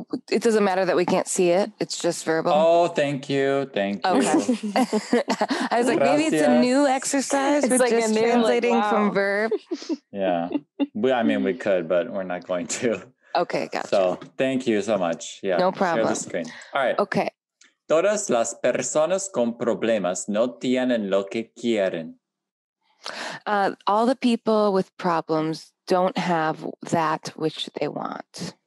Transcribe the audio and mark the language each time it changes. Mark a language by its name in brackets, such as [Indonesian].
[English] It doesn't matter that we can't see it. It's just verbal. Oh, thank you. Thank you. Okay. I was like, gracias. Maybe it's a new exercise. It's like just a new, translating like, wow. From verb. Yeah. I mean, we could, but we're not going to. Okay, gotcha. So thank you so much. Yeah. No problem. Share the screen. All right. Okay. [Spanish] Todas las personas con problemas no tienen lo que quieren. [English] All the people with problems don't have that which they want.